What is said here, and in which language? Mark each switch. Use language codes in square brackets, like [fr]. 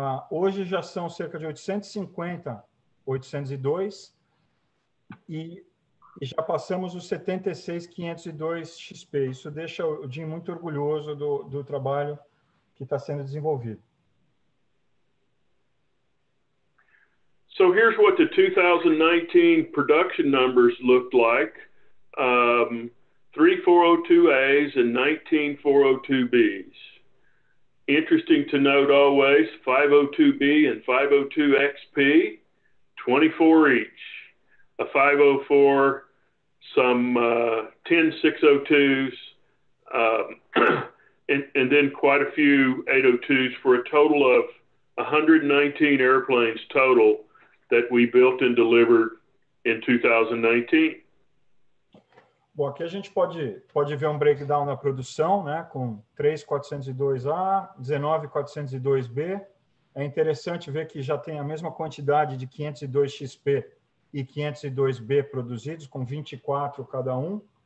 [pt] Hoje já são cerca de 850, 802, e já passamos os 76.502 XP. Isso deixa o Jim muito orgulhoso do trabalho que está sendo desenvolvido. [en] So here's what the 2019 production numbers looked like. 3 402As and 19 402Bs. Interesting to note always, 502B and 502XP, 24 each. A 504, some 10 602s, and then quite a few 802s for a total of 119 airplanes total that we built and delivered in 2019. [pt] Bom, aqui a gente pode ver um breakdown na produção, né, com 3 402A, 19 402B. É interessante ver que já tem a mesma quantidade de 502 XP e 502B produzidos, com 24 cada um.